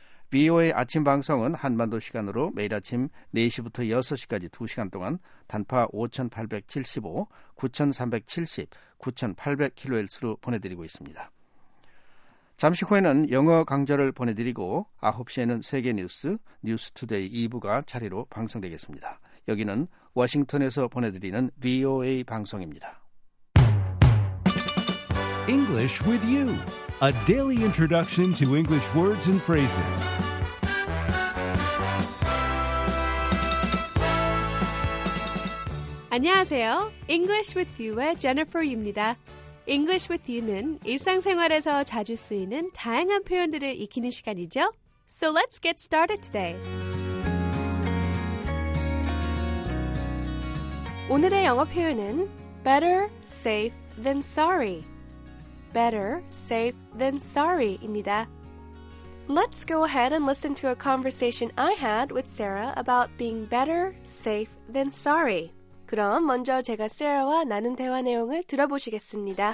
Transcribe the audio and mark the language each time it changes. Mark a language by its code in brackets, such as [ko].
[ko] VOA 아침 방송은 한반도 시간으로 매일 아침 4시부터 6시까지 2시간 동안 단파 5875, 9370, 9800kHz로 보내드리고 있습니다. 잠시 후에는 영어 강좌를 보내드리고 9시에는 세계 뉴스, 뉴스 투데이 2부가 차례로 방송되겠습니다. 여기는 워싱턴에서 보내드리는 VOA 방송입니다. [en] English with you. A daily introduction to English words and phrases. [ko] English with you의 Jennifer입니다. English with you는 일상생활에서 자주 쓰이는 다양한 표현들을 익히는 시간이죠. [en] So let's get started today. [ko] 오늘의 영어 표현은 [en] better safe than sorry. Better safe than sorry입니다. Let's go ahead and listen to a conversation I had with Sarah about being better safe than sorry. [ko] 그럼 먼저 제가 세라와 나눈 대화 내용을 들어보시겠습니다.